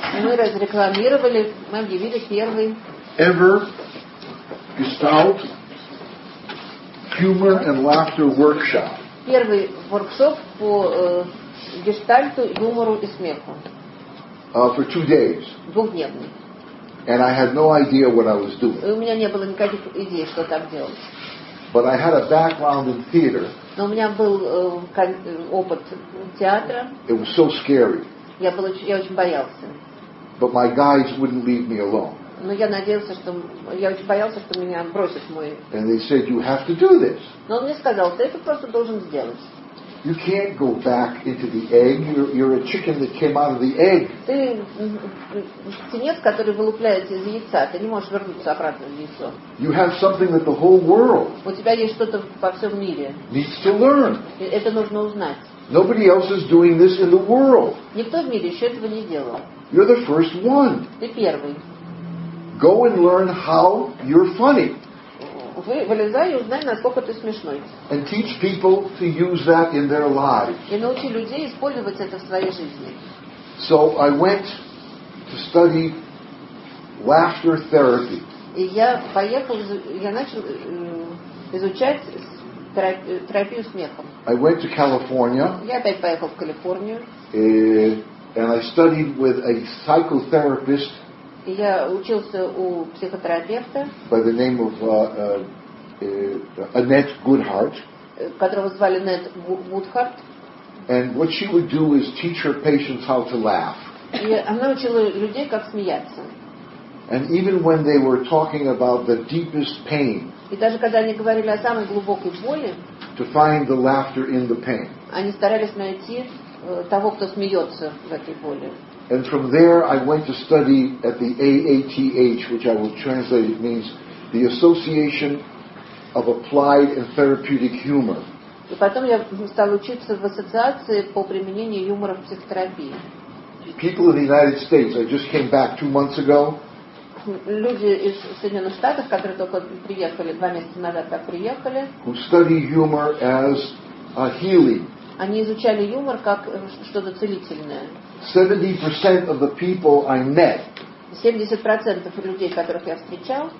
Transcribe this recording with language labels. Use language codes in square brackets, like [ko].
[ru] мы разрекламировали, мы объявили первый [en] ever Gestalt humor and laughter workshop. [ru] Первый воркшоп по гештальту, юмору и смеху. [en] For 2 days. [ru] Двухдневный. [en] And I had no idea what I was doing. [ru] У меня не было никаких идей, что так делать. [en] But I had a background in theater. [ru] Но у меня был опыт театра. [en] It was so scary. [ru] Я очень боялся. [en] But my guides wouldn't leave me alone. [ru] Но я надеялся, что я очень боялся, что меня бросит мой. [en] And they said you have to do this. [ru] Но он мне сказал, ты это просто должен сделать. [en] You can't go back into the egg. You're a chicken that came out of the egg. [ru] Ты птенец, который вылупляется из яйца. Ты не можешь вернуться обратно в яйцо. [en] You have something that the whole world. [ru] У тебя есть что-то во всем мире. [en] Needs to learn. [ru] Это нужно узнать. [en] Nobody else is doing this in the world. [ru] Никто в мире еще этого не делал. [en] You're the first one. [ru] Ты первый. [en] Go and learn how you're funny. [ru] Вылезай и узнай, насколько ты смешной. [en] And teach people to use that in their lives. [ru] И научи людей использовать это в своей жизни. [en] So I went to study laughter therapy. [ru] И я поехал, я начал изучать терапию смехом. [en] I went to California. [ru] Я опять поехал в Калифорнию. [en] And I studied with a psychotherapist. [ru] Я учился у психотерапевта. [en] By the name of Annette Goodhart. [ru] Которого звали Нет Гудхарт. [en] And what she would do is teach her patients how to laugh. [ru] И она учила людей, как смеяться. [en] And even when they were talking about the deepest pain, [ru] и даже когда они говорили о самой глубокой боли, [en] to find the laughter in the pain, [ru] они старались найти того, кто смеется в этой боли. [en] And from there I went to study at the AATH, which I will translate, it means the Association of Applied and Therapeutic Humor. [ru] И потом я стал учиться в ассоциации по применению юмора в психотерапии. [en] People in the United States, I just came back 2 months ago. [ru] Люди из Соединенных Штатов, которые только приехали, 2 месяца назад так приехали, [en] who study humor as a healing. [ru] Они изучали юмор как что-то целительное. [en] 70% of the people I met, [ru] 70% людей, которых я встречал,